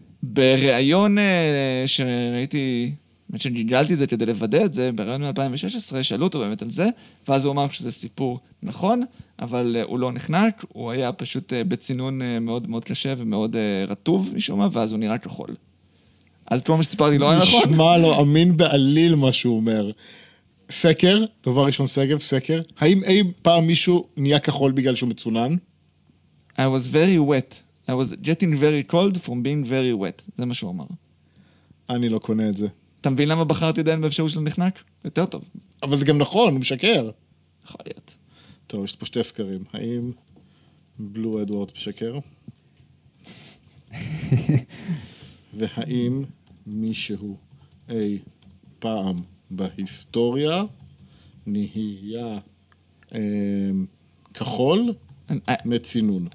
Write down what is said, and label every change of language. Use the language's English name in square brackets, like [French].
[Hebrew] בריאיון שראיתי, באמת שגיגלתי את זה כדי לוודא את זה, בריאיון מ-2016 שאלו אותו באמת על זה, ואז הוא אמר שזה סיפור נכון, אבל הוא לא נחנק, הוא היה פשוט בצינון מאוד מאוד קשה ומאוד רטוב משום מה, ואז הוא נראה כחול. אז כמו שסיפרתי, לא היה נכון? נשמע לו, אמין בעליל מה שהוא אומר. סקר, דבר ראשון סגב, סקר. האם אי פעם מישהו נהיה כחול בגלל שהוא מצונן? [English] I was very wet. I was getting very cold from being very wet. [Hebrew] זה מה שהוא אמר. אני לא קונה את זה. אתה מבין למה בחרתי עדיין באפשרות של נחנק? יותר טוב. אבל זה גם נכון, הוא משקר. יכול להיות. טוב, יש פה שתי סקרים. האם בלו אדוארד משקר? והאם מישהו אי פעם בהיסטוריה נהיה כחול מצינון?